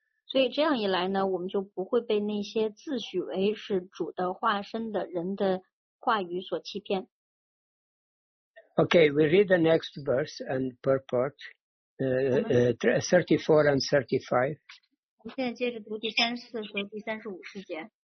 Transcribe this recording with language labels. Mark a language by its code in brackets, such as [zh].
[zh] 所以这样一来呢，我们就不会被那些自诩为是主的化身的人的话语所欺骗。 [en] Okay, we read the next verse and purport, 34 and 35. [zh] 我们现在接着读第34和第35世节。